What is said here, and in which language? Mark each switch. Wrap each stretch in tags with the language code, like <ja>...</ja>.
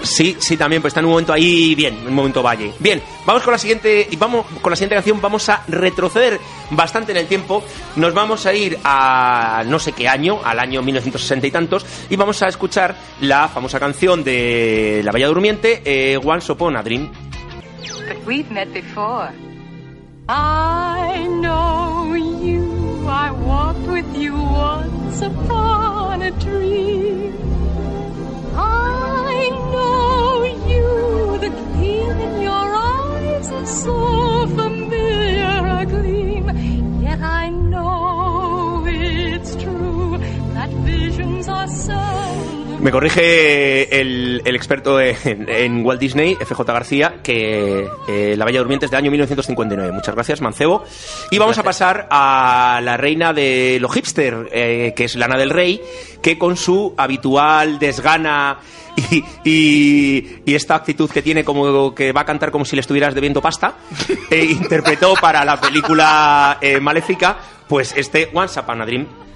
<es>Sí, sí, también, pues está en un momento ahí bien, en un momento valle. Bien, vamos con la siguiente, y vamos con la siguiente canción, vamos a retroceder bastante en el tiempo. Nos vamos a ir a no sé qué año, al año 1960 y tantos, y vamos a escuchar la famosa canción de la Bella Durmiente, Once Upon a Dream.</es> <en>But we've met before. I know you, I walked with you once upon a dream. I know you, the gleam in your eyes is so familiar a gleam. Yet I know it's true that visions are so.</en> <es>Me corrige el experto en Walt Disney, F.J. García, que La Bella Durmiente es del año 1959. Muchas gracias, Mancebo. Y vamos a pasar a la reina de los hipster, que es Lana del Rey, que con su habitual desgana y esta actitud que tiene, como que va a cantar como si le estuvieras debiendo pasta, interpretó para la película Maléfica, pues este Once Upon a Dream.</es>